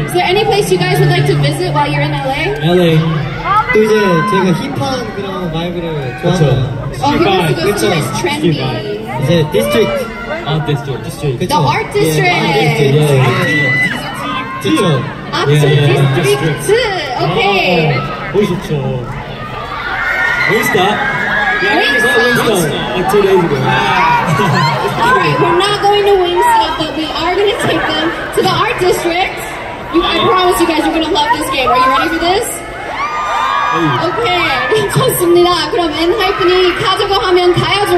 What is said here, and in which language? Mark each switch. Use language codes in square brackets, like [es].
[en] Is there any place you guys would like to visit while you're in LA? LA. [ko] 또 이제 제가 힙한 그런 바이브를 좋아하죠. 그렇죠. 이제 디스트릭. 아, [en] 디스트릭. [ko] 그쵸? [en] The art district. Yeah. 디스트릭. [ko] 그쵸? [en] Art district. Art district. Okay. [ko] 멋있죠. [en] Wingstop. Wingstop. Like 2 days ago. Alright, we're not going to Wingstop, but we are going to take them to the art district. I promise you guys you're going to love this game. Are you ready for this? Okay, [ko] 좋습니다. 그럼 엔하이픈이 가자고 하면 가야죠.